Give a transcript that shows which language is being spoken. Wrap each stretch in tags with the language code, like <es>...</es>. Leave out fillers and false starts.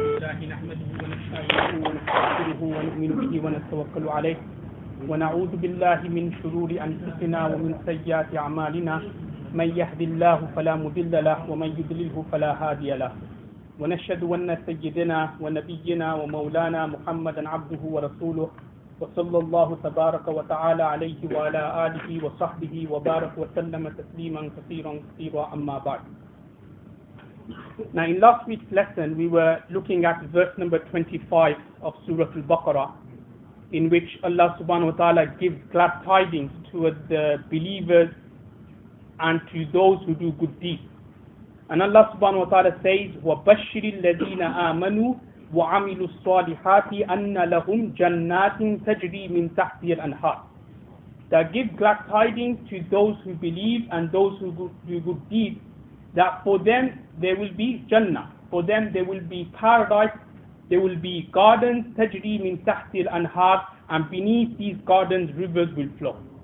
<ar>الله نحمده ونستعينه ونستغفره ونؤمن به ونتوكل عليه ونعوذ بالله من شرور أنفسنا ومن سيئات أعمالنا من يهد الله فلا مضل له ومن يضلله فلا هادي له ونشهد أن سيدنا ونبينا ومولانا محمدا عبده ورسوله وصلى الله تبارك وتعالى عليه وعلى آله وصحبه وبارك وسلم تسليما كثيرا كثيرا أما بعد.</ar> <en>Now in last week's lesson we were looking at verse number 25 of Surah Al-Baqarah, in which Allah subhanahu wa ta'ala gives glad tidings towards the believers and to those who do good deeds. And Allah subhanahu wa ta'ala says,</en> <ar>وَبَشِّرِ الَّذِينَ آمَنُوا وَعَمِلُوا الصَّالِحَاتِ أَنَّ لَهُمْ جَنَّاتٍ تَجْرِي مِنْ تَحْتِهَا الْأَنْهَارُ.</ar> <en>That gives glad tidings to those who believe and those who do good deeds, that for them there will be Jannah, for them there will be paradise, there will be gardens,</en> <ar>tajri min tahtil anhar,</ar> <en>and beneath these gardens rivers will flow.</en>